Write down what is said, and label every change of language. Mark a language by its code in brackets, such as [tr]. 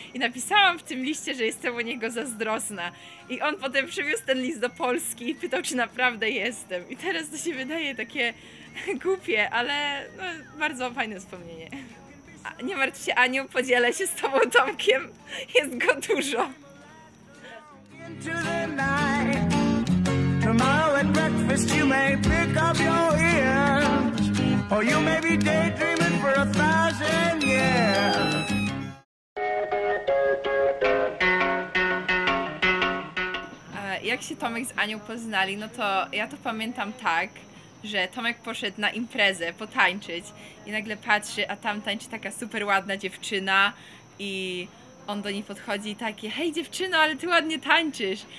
[pl] I napisałam w tym liście, że jestem u niego zazdrosna. I on potem przywiózł ten list do Polski i pytał, czy naprawdę jestem. I teraz to się wydaje takie głupie, ale no, bardzo fajne wspomnienie. A, nie martw się, Aniu, podzielę się z tobą Tomkiem. Jest go dużo. [en] Into the night. Tomorrow at breakfast you may pick up your ears. Or you may be daydreaming for a thousand years. [pl] Jak się Tomek z Anią poznali, no to ja to pamiętam tak, że Tomek poszedł na imprezę potańczyć i nagle patrzy, a tam tańczy taka super ładna dziewczyna i on do niej podchodzi i takie: hej dziewczyno, ale ty ładnie tańczysz!